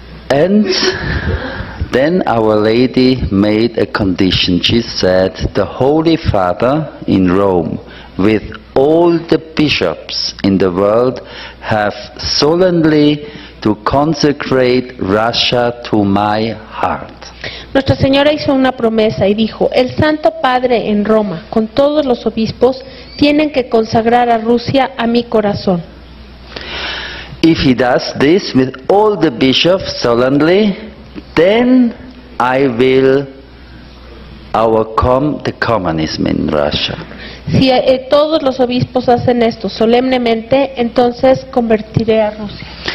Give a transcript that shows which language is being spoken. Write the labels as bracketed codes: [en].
[en] And then Our Lady made a condition. She said, "The Holy Father in Rome, with all the bishops in the world, have solemnly to consecrate Russia to my heart." [es] Nuestra Señora hizo una promesa y dijo, "El Santo Padre en Roma, con todos los obispos, tienen que consagrar a Rusia a mi corazón." [en] If he does this with all the bishops solemnly, then I will overcome the communism in Russia. [es] Si todos los obispos hacen esto solemnemente, entonces convertiré a Rusia.